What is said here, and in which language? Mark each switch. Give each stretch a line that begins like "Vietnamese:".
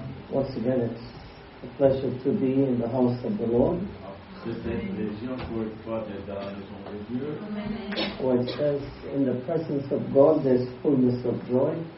English: Once again, it's a pleasure to be in the house of the Lord.
French: C'est un plaisir pour une fois d'être dans la maison de Dieu.
English: Where it says, in the presence of God, there's fullness of joy.